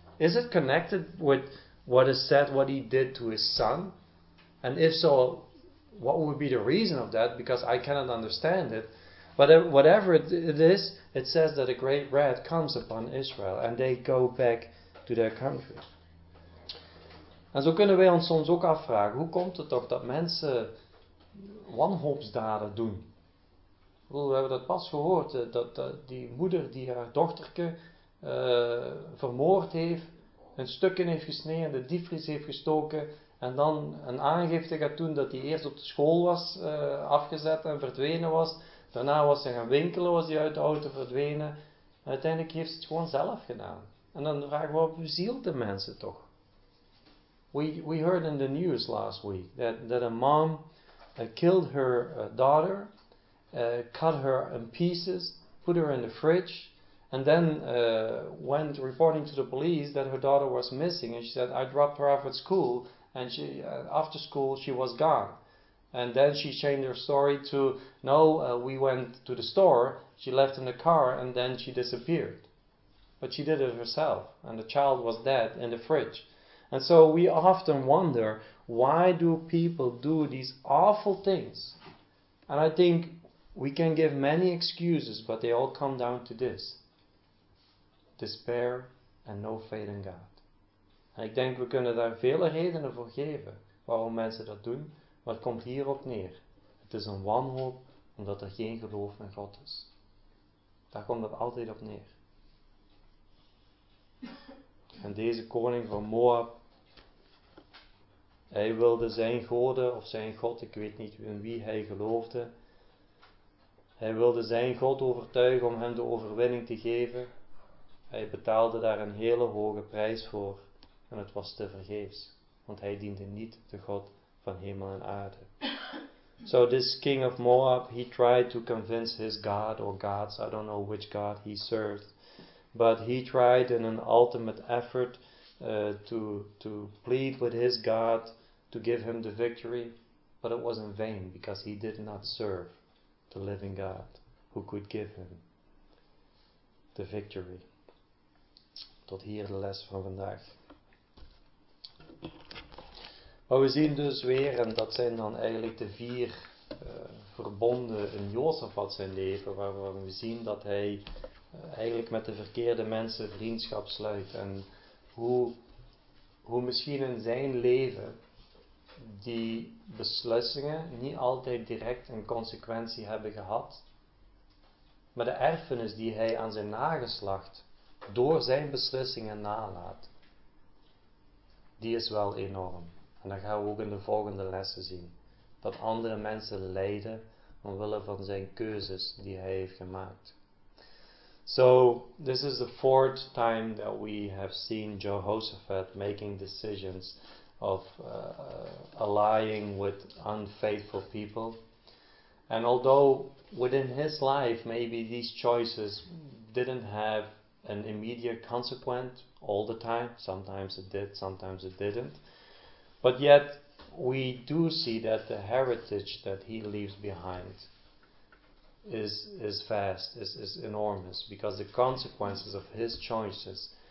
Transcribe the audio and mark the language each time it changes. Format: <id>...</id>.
<en>Is it connected with what is said, what he did to his son? And if so, what would be the reason of that? Because I cannot understand it. But whatever it is, it says that a great wrath comes upon Israel. And they go back to their country.</en> <nl>En zo kunnen wij ons soms ook afvragen, hoe komt het toch dat mensen wanhoopsdaden doen? We hebben dat pas gehoord, dat die moeder die haar dochterke vermoord heeft, een stukken heeft gesneden, de diepvries heeft gestoken, en dan een aangifte gaat doen dat hij eerst op de school was afgezet en verdwenen was. Daarna was hij gaan winkelen, was hij uit de auto verdwenen. En uiteindelijk heeft ze het gewoon zelf gedaan. En dan vragen we, wat bezielt de mensen toch?</nl> <en>We heard in the news last week that a mom killed her daughter, cut her in pieces, put her in the fridge, and then went reporting to the police that her daughter was missing. And she said, I dropped her off at school, and she after school she was gone. And then she changed her story to, no, we went to the store, she left in the car, and then she disappeared. But she did it herself, and the child was dead in the fridge. And so we often wonder, why do people do these awful things? And I think we can give many excuses, but they all come down to this. Despair and no faith in God.</en> <nl>En ik denk, we kunnen daar vele redenen voor geven waarom mensen dat doen. Maar het komt hierop neer. Het is een wanhoop omdat er geen geloof in God is. Daar komt het altijd op neer. En deze koning van Moab, hij wilde zijn goden of zijn god, ik weet niet in wie hij geloofde. Hij wilde zijn god overtuigen om hem de overwinning te geven. Hij betaalde daar een hele hoge prijs voor en het was tevergeefs. Want hij diende niet de god van hemel en aarde.</nl> <en>So this king of Moab, he tried to convince his god or gods, I don't know which god he served. But he tried in an ultimate effort to plead with his God to give him the victory. But it was in vain because he did not serve the living God who could give him the victory.</en> <nl>Tot hier de les van vandaag. Maar we zien dus weer, en dat zijn dan eigenlijk de vier verbonden in Jozef had zijn leven, waarvan we zien dat hij eigenlijk met de verkeerde mensen vriendschap sluit. En hoe misschien in zijn leven die beslissingen niet altijd direct een consequentie hebben gehad. Maar de erfenis die hij aan zijn nageslacht door zijn beslissingen nalaat, die is wel enorm. En dat gaan we ook in de volgende lessen zien. Dat andere mensen lijden omwille van zijn keuzes die hij heeft gemaakt.</nl> <en>So, this is the fourth time that we have seen Jehoshaphat making decisions of allying with unfaithful people. And although within his life maybe these choices didn't have an immediate consequence all the time, sometimes it did, sometimes it didn't, but yet we do see that the heritage that he leaves behind is vast, is enormous, because the consequences of his choices</en>